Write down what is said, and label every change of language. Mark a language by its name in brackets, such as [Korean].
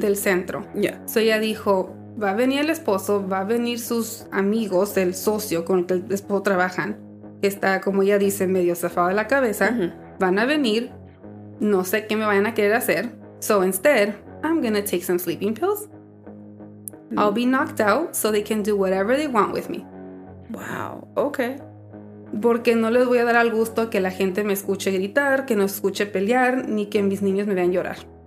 [Spanish] del centro. [English] Yeah. [Spanish] So ella dijo, va a venir el esposo, va a venir sus amigos, el socio con el que el esposo trabajan. Está, como ella dice, medio zafado de la cabeza. Mm-hmm. Van a venir, no sé qué me vayan a querer hacer. [English] So instead, I'm going to take some sleeping pills. Mm-hmm. I'll be knocked out so they can do whatever they want with me. Wow. Okay. [Spanish] Porque no les voy a dar al gusto que la gente me escuche gritar, que no escuche pelear, ni que mis niños me vean llorar.